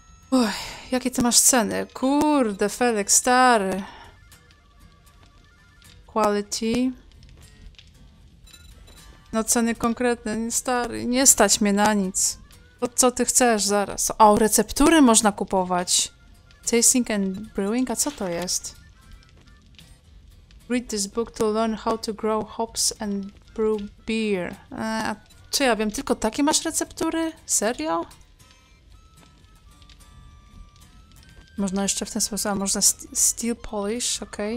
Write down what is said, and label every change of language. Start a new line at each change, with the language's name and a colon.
Polish: Uj, jakie ty masz ceny? Kurde, Felek, stary.
English: Quality.
Polish: No, ceny konkretne, stary. Nie stać mnie na nic. To co ty chcesz zaraz? O, receptury można kupować.
English: Tasting and brewing?
Polish: A co to jest?
English: Read this book to learn how to grow hops and brew beer.
Polish: A czy ja wiem, tylko takie masz receptury? Serio? Można jeszcze w ten sposób, a można steel polish, okej.